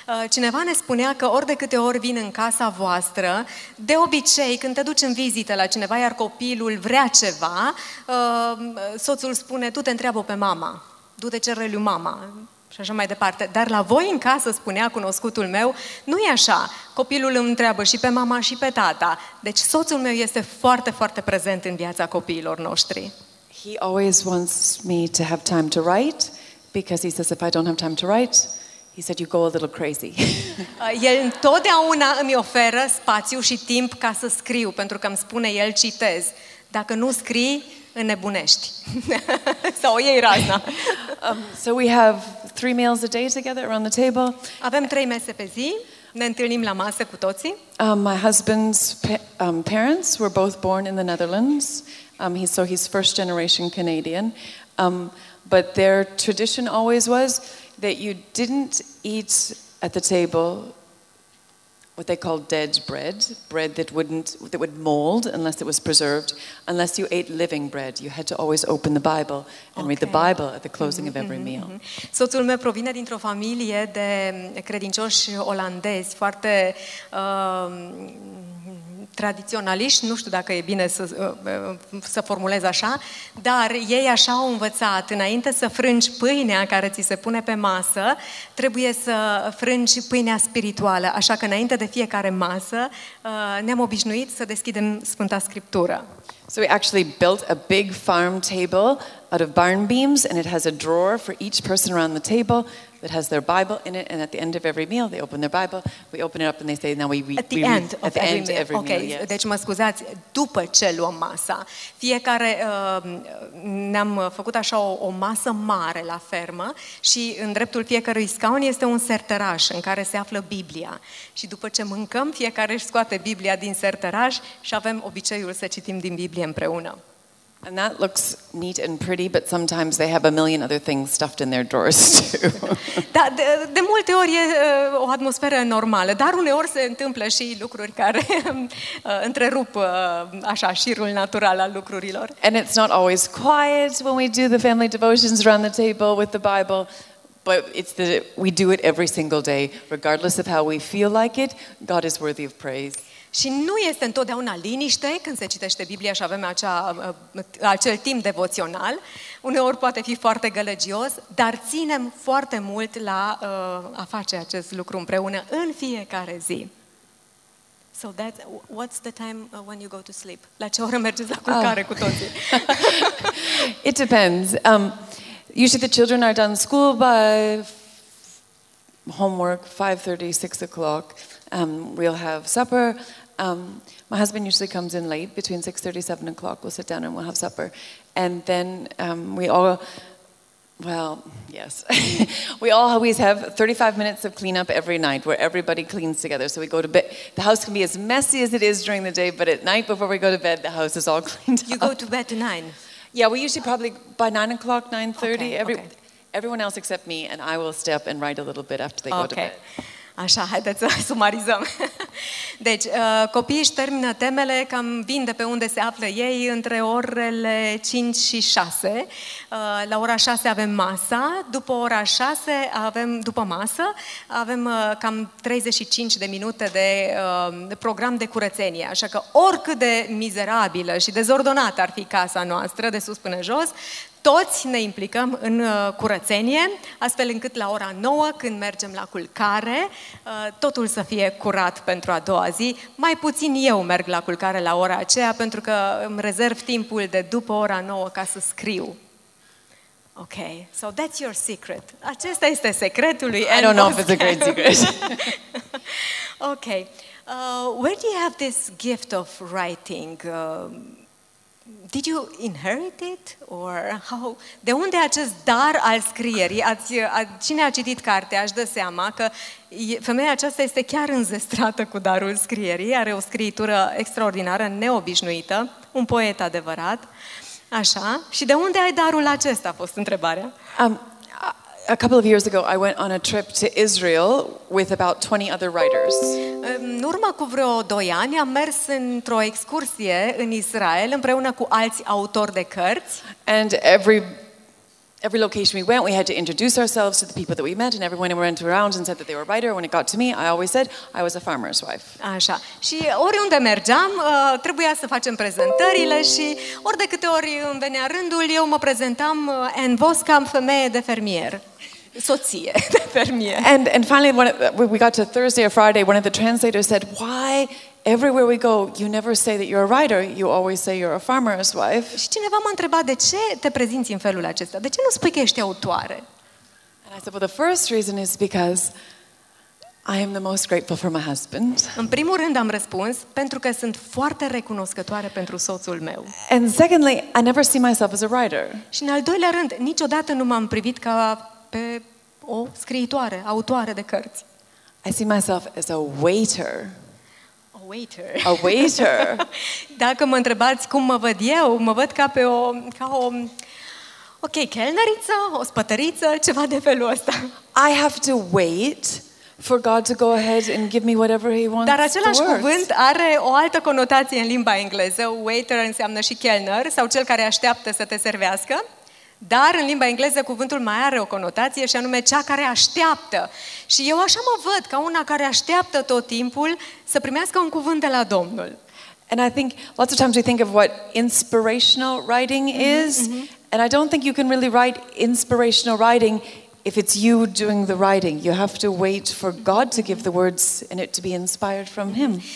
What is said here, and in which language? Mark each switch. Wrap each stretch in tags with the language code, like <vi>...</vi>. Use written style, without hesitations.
<ro>Cineva ne spunea că ori de câte ori vin în casa voastră, de obicei, când te duci în vizită la cineva, iar copilul vrea ceva, soțul spune, tu te întreabă pe mama, du te cere lui mama, și așa mai departe. Dar la voi în casă, spunea cunoscutul meu, nu e așa, copilul îmi întreabă și pe mama și pe tata. Deci soțul meu este foarte, foarte prezent în viața copiilor noștri.</ro> <en>He always wants me to have time to write, because he says if I don't have time to write... He said, you go a little crazy.</en> <ro>El întotdeauna îmi oferă spațiu și timp ca să scriu, pentru că îmi spune el, citez. Dacă nu scrii, înnebunești. Sau o iei razna.</ro> <en>So we have 3 meals a day together around the table.</en> <ro>Avem 3 mese pe zi. Ne întâlnim la masă cu toții.</ro> <en>My husband's parents were both born in the Netherlands. So he's first generation Canadian. But their tradition always was that you didn't eat at the table what they call dead bread, bread that would mold unless it was preserved, unless you ate living bread. You had to always open the Bible and read the Bible at the closing of every meal.</en> <ro>Soțul meu provine dintr-o familie de credincioși olandezi, foarte tradiționaliști, nu știu dacă e bine să formulez așa, dar ei așa au învățat, înainte să frângi pâinea care ți se pune pe masă, trebuie să frângi pâinea spirituală, așa că înainte de fiecare masă ne-am obișnuit să deschidem Sfânta Scriptură.</ro> <en>So we actually built a big farm table out of barn beams and it has a drawer for each person around the table that has their Bible in it, and at the end of every meal they open their Bible, we open it up and they say, now we read at the end of every meal. Okay.</en> <ro>Deci mă scuzați, după ce luăm masa, fiecare ne-am făcut așa o masă mare la fermă și în dreptul fiecărui scaun este un sertăraș în care se află Biblia. Și după ce mâncăm, fiecare își scoate Biblia din sertăraș și avem obiceiul să citim din Biblie împreună.</ro> <en>And that looks neat and pretty, but sometimes they have a million other things stuffed in their drawers too.</en> <ro>Da, de multe ori e o atmosferă normală, dar uneori se întâmplă și lucruri care întrerup așa șirul natural al lucrurilor.</ro> <en>And it's not always quiet when we do the family devotions around the table with the Bible, but we do it every single day, regardless of how we feel like it. God is worthy of praise.</en> <ro>Și nu este întotdeauna liniște când se citește Biblia și avem acel timp devoțional. Uneori poate fi foarte gălăgios, dar ținem foarte mult la a face acest lucru împreună în fiecare zi.</ro> <en>So that's what's the time when you go to sleep?</en> <ro>La ce oră mergeți la culcare cu toții?</ro> <en>It depends. Usually the children are done school by homework 5:30, 6 o'clock. We'll have supper. My husband usually comes in late, between 6:30, 7 o'clock, we'll sit down and we'll have supper. And then we always have 35 minutes of cleanup every night where everybody cleans together. So we go to bed, the house can be as messy as it is during the day, but at night before we go to bed, the house is all cleaned up. You go to bed at 9? Yeah, we usually probably by 9 o'clock, 9:30, everyone else except me, and I will stay up and write a little bit after they go to bed.</en> <ro>Așa, haideți să sumarizăm. Deci, copiii își termină temele, cam vin de pe unde se află ei, între orele 5 și 6. La ora 6 avem masa, după ora 6 avem, după masă, avem cam 35 de minute de program de curățenie. Așa că oricât de mizerabilă și dezordonată ar fi casa noastră, de sus până jos, toți ne implicăm în curățenie, astfel încât la ora 9, când mergem la culcare, totul să fie curat pentru a doua zi. Mai puțin eu merg la culcare la ora aceea, pentru că îmi rezerv timpul de după ora 9 ca să scriu.</ro> <en>Ok, so that's your secret.</en> <ro>Acesta este secretul lui</ro> <en>Elmo. I don't know if it's a great secret. Ok, where do you have this gift of writing? Did you inherit it or how?</en> <ro>De unde acest dar al scrierii? Cine a citit cartea își dă seama că femeia aceasta este chiar înzestrată cu darul scrierii, are o scriitură extraordinară, neobișnuită, un poet adevărat. Așa? Și de unde ai darul acesta, a fost întrebarea?</ro> <en>A couple of years ago I went on a trip to Israel with about 20 other writers.</en> <ro>În urmă cu vreo 2 ani am mers într-o excursie în Israel împreună cu alți autori de cărți.</ro> <en>And every location we went, we had to introduce ourselves to the people that we met, and everyone went around and said that they were a writer. When it got to me, I always said I was a farmer's wife.</en> <ro>Așa. Și oriunde mergeam, trebuia să facem prezentările și ori de câte ori îmi venea rândul, eu mă prezentam en voscam, femeie de fermier. Soție de fermier.</ro> <en>And finally, when we got to Thursday or Friday, one of the translators said, why everywhere we go, you never say that you're a writer, you always say you're a farmer's wife.</en> <ro>Și cineva m-a întrebat, de ce te prezinți în felul acesta? De ce nu spui că ești autoare?</ro> <en>And I said, well, the first reason is because I am the most grateful for my husband.</en> <ro>În primul rând am răspuns, pentru că sunt foarte recunoscătoare pentru soțul meu.</ro> <en>And secondly, I never see myself as a writer.</en> <ro>Și în al doilea rând, niciodată nu m-am privit ca pe o scriitoare, autoare de cărți.</ro> <en>I see myself as a waiter. Waiter. A waiter.</en> <ro>Dacă mă întrebați cum mă văd eu, mă văd ca pe o, ca o, ok, chelneriță, ospătăriță, ceva de felul ăsta.</ro> <en>I have to wait for God to go ahead and give me whatever he wants.</en> <ro>Dar același cuvânt are o altă conotație în limba engleză. Waiter înseamnă și chelner sau cel care așteaptă să te servească. Dar în limba engleză cuvântul mai are o conotație și anume cea care așteaptă. Și eu așa mă văd, ca una care așteaptă tot timpul să primească un cuvânt de la Domnul.</ro> <en>And I think lots of times we think of what inspirational writing is, and I don't think you can really write inspirational writing if it's you doing the writing. You have to wait for God to give the words and it to be inspired from him.</en>